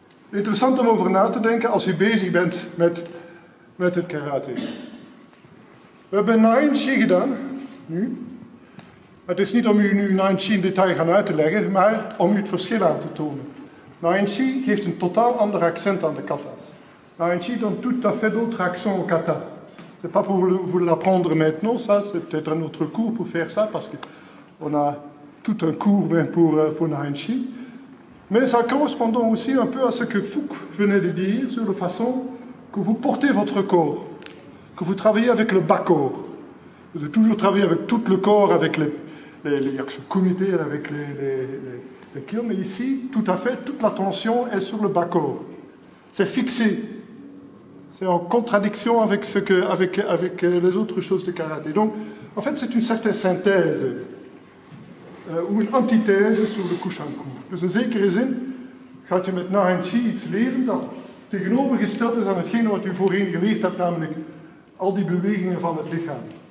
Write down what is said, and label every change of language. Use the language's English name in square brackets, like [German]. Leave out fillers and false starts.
[Dutch] Interessant om over na te denken als je bezig bent met het karate. We hebben Nainchi gedaan, nu. Het is niet om u nu Nanxi in detail gaan uitleggen, maar om u het verschil aan te tonen. Nanxi geeft een totaal ander accent aan de katas. [French] Nanxi donne tout à fait d'autres accents aux katas. Ce n'est pas pour vous l'apprendre maintenant, ça, c'est peut-être un autre cours pour faire ça, parce qu'on a tout un cours même pour Nanxi. Mais ça correspond aussi un peu à ce que Fouque venait de dire sur la façon que vous portez votre corps, que vous travaillez avec le bas-corps. Vous avez toujours travaillé avec tout le corps, avec les kilos, mais ici, tout à fait, toute l'attention est sur le bas-corps. C'est fixé. C'est en contradiction avec, avec les autres choses de karaté. Donc, en fait, c'est une certaine synthèse ou une antithèse sur le Kushanku. [Dutch] Dus in zekere zin gaat je met Nanxi iets leren dat tegenovergesteld is aan hetgeen wat u voorheen geleerd hebt, namelijk al die bewegingen van het lichaam.